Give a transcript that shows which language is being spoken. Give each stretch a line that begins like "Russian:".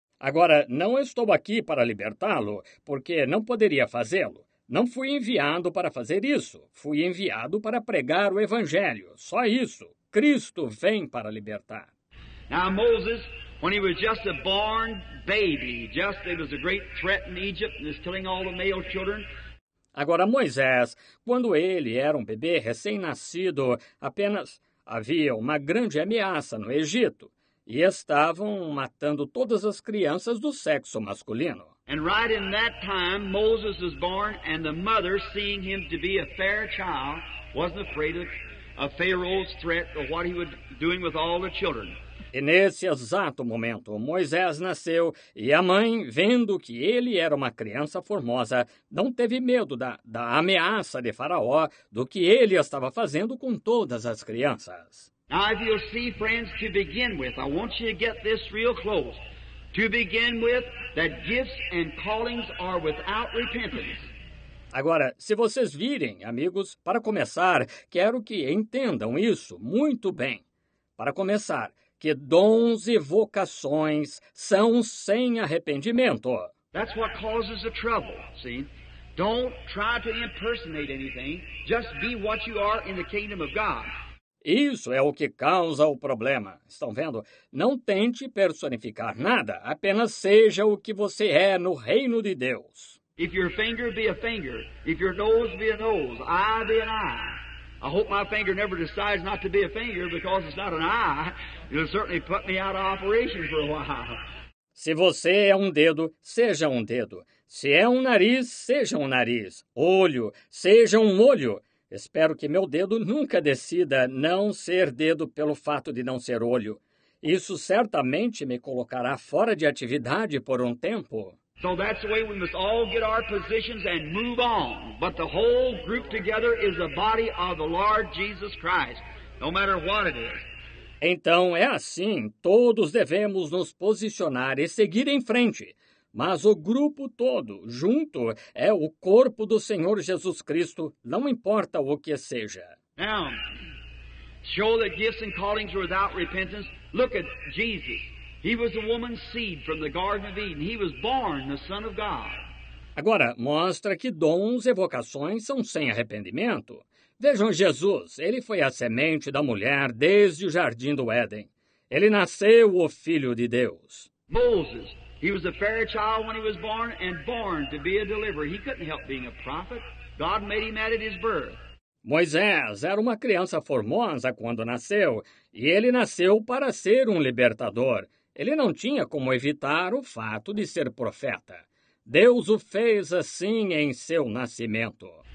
Portuguese: Agora, não estou aqui para libertá-lo, porque não poderia fazê-lo. Não fui enviado para fazer isso. Fui enviado para pregar o evangelho. Só isso. Cristo vem para libertar.
English: Now Moses, when he was just a born baby, just it was a great threat in Egypt and is killing all the male children.
Portuguese: Agora Moisés, quando ele era um bebê recém-nascido, apenas havia uma grande ameaça no Egito e estavam matando todas as crianças do sexo masculino.
English: And right in that time Moses was born and the mother, seeing him to be a fair child, wasn't afraid of Pharaoh's threat or what he would doing with all the children.
Portuguese: E nesse exato momento, Moisés nasceu e a mãe, vendo que ele era uma criança formosa, não teve medo da ameaça de Faraó, do que ele estava fazendo com todas as crianças.
English: Now, if you'll see, friends, to begin with, I want you to get this real close. To begin with, that gifts and callings are without repentance.
Portuguese: Agora, se vocês virem, amigos, para começar, quero que entendam isso muito bem. Para começar, que dons e vocações são sem arrependimento.
English: That's what causes the trouble, see? Don't try to impersonate anything. Just be what you are in the kingdom of God.
Portuguese: Isso é o que causa o problema. Estão vendo? Não tente personificar nada. Apenas seja o que você é no reino de Deus.
English: If your finger be a finger, if your nose be a nose, eye be an eye. I hope my finger never decides not to be a finger because it's not an eye. It'll certainly put me out of operation for a while.
Portuguese: Se você é um dedo, seja um dedo. Se é um nariz, seja um nariz. Olho, seja um olho. Espero que meu dedo nunca decida não ser dedo pelo fato de não ser olho. Isso certamente me colocará fora de atividade por um tempo.
English: So that's the way we must all get our positions and move on. But the whole group together is the body of the Lord Jesus Christ, no matter what it is.
Portuguese: Então é assim, todos devemos nos posicionar e seguir em frente. Mas o grupo todo, junto, é o corpo do Senhor Jesus Cristo, não importa o que seja.
English: Now, show that gifts and callings are without repentance. Look at Jesus. He was a woman's seed from the Garden of Eden. He was born the Son of God.
Portuguese: Agora, mostra que dons e vocações são sem arrependimento. Vejam Jesus. Ele foi a semente da mulher desde o Jardim do Éden. Ele nasceu o Filho de Deus.
English: Moses. He was a fair child when he was born and born to be a deliverer. He couldn't help being a prophet. God made him at his birth.
Portuguese: Moisés era uma criança formosa quando nasceu. E ele nasceu para ser um libertador. Ele não tinha como evitar o fato de ser profeta. Deus o fez assim em seu nascimento.